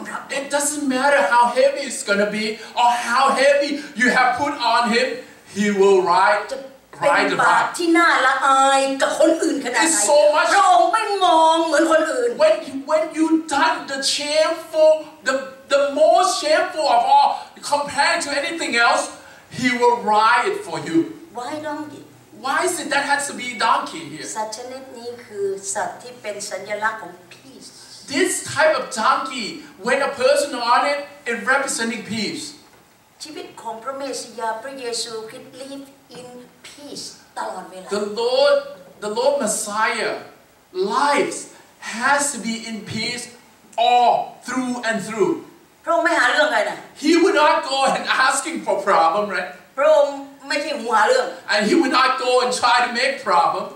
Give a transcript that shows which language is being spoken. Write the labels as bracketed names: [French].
[English] It doesn't matter how heavy it's gonna be or how heavy you have put on him, he will ride. [Thai] เป็นบาปที่น่าละอายกับคนอื่นขนาดไหนพระองค์ไม่มองเหมือนคนอื่น [English] When you done the shameful the most shameful of all compared to anything else he will ride it for you Why donkey Why is it that has to be donkey here [Thai] สัตว์ชนิดนี้คือสัตว์ที่เป็นสัญลักษณ์ของ peace [English] This type of donkey when a person on it it representing peace [Thai] ชีวิตของพระเมสสิยาพระเยซูคริสต์ [English] liveIn peace, [Thai] ตลอดเวลา [English] The Lord Messiah, lives has to be in peace all through and through. [Thai] พระองค์ไม่หาเรื่องใครนะ [English] He would not go and asking for problem, right? [Thai] พระองค์ไม่ใช่หาเรื่อง [English] And he would not go and try to make problem.